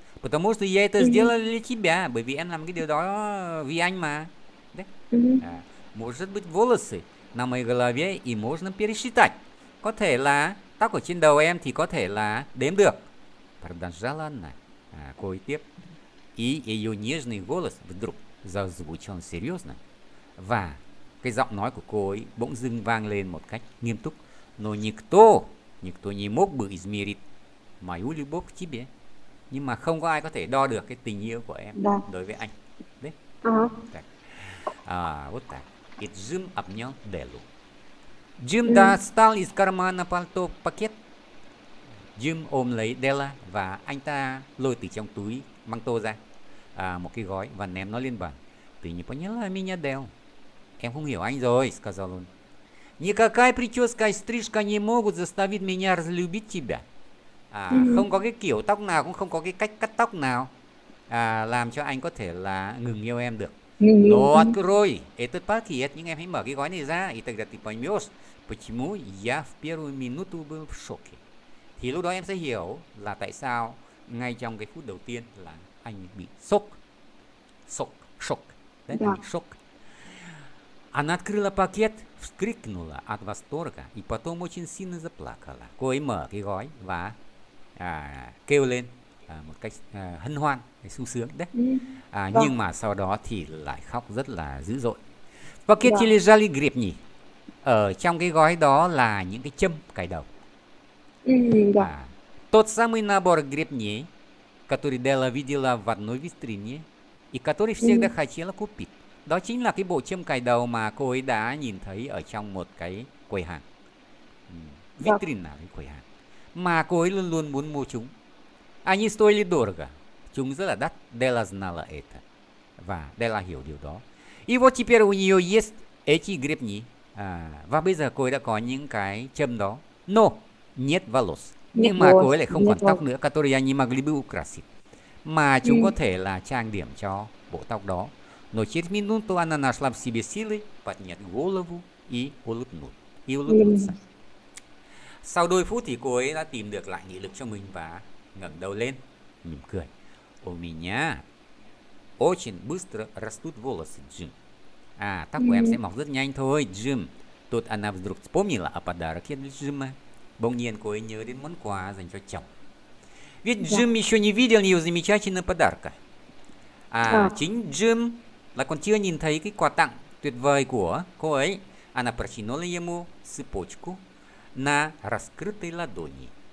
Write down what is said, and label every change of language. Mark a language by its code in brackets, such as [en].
[ru] Потому что я это сделал для тебя. [vi] Bởi vì em làm cái điều đó vì anh mà. [ru] À, может быть волосы на моей голове и можно пересчитать. [vi] Có thể là tóc ở trên đầu em thì có thể là đếm được. [ru] Продолжала она. А, [vi] cô ấy tiếp. [ru] И ее нежный голос вдруг зазвучал серьезно. [vi] Và cái giọng nói của cô ấy bỗng dưng vang lên một cách nghiêm túc. [ru] Но никто не мог бы измерить мою любовь к тебе. [vi] Nhưng mà không có ai có thể đo được cái tình yêu của em đối với anh. Đấy. [ru] Так. А, вот так. И Джим обнял Деллу. Джим достал из кармана пальто пакет. [vi] Джим ôm lấy Della và anh ta lôi từ trong túi măng tô ra một cái gói và ném nó lên bàn. [ru] Ты не поняла меня, Делл? [vi] Em không hiểu anh rồi, [ru] сказал он. Никакая прическа и стрижка не могут заставить меня разлюбить тебя. [vi] À, không có cái kiểu tóc nào cũng không có cái cách cắt tóc nào làm cho anh có thể là ngừng yêu em được. [ru] Not rồi. Это пакет. [vi] Nhưng em hãy mở cái gói này ra. И тогда ты поймешь, почему я в первую минуту был в шоке. Thì lúc đó em sẽ hiểu là tại sao ngay trong cái phút đầu tiên là anh bị sốc. Sốc. Шок. Đấy, anh bị sốc. [ru] Она открыла пакет, вскрикнула от восторга и потом очень сильно заплакала. [vi] Cô ấy mở cái gói và kêu lên một cách hân hoan, sung sướng đấy. À, nhưng mà sau đó thì lại khóc rất là dữ dội. Và cái chili jelly grip nhỉ? Ở trong cái gói đó là những cái châm cài đầu. [ru] À, тот самый набор гребней, который Della видела в одной витрине и который всегда хотела купить. [vi] Đó chính là cái bộ châm cài đầu mà cô ấy đã nhìn thấy ở trong một cái quầy hàng. Vitrine là cái quầy hàng. Mà cô ấy luôn luôn muốn mua chúng. [ru] Они стоили дорого. [vi] Chúng rất là đắt. [ru] Della знала это. [vi] Và Della hiểu điều đó. [ru] И вот теперь у нее есть эти гребни. [vi] À, và bây giờ cô ấy đã có những cái châm đó. [ru] No, нет волос. [vi] Nhưng mà cô ấy lại không còn tóc nữa. [ru] Которые они могли бы украсить. [vi] Mà chúng có thể là trang điểm cho bộ tóc đó. [ru] Но через минуту она нашла в себе силы поднять голову и улыбнуть. И улыбнуться. [vi] Sau đôi phút thì cô ấy đã tìm được lại nghị lực cho mình và ngẩng đầu lên, mỉm cười. [ru] У меня очень быстро растут волосы, Джим. [vi] À, tóc của em sẽ mọc rất nhanh thôi, Джим. [ru] Тут она вдруг вспомнила о подарке для Джима. [vi] Bỗng nhiên cô ấy nhớ đến món quà dành cho chồng. [ru] Ведь Джим еще не видел ее замечательного подарка. [vi] À, chính Джим là còn chưa nhìn thấy cái quà tặng tuyệt vời của cô ấy. [ru] Она протянула ему цепочку на раскрытой ладони.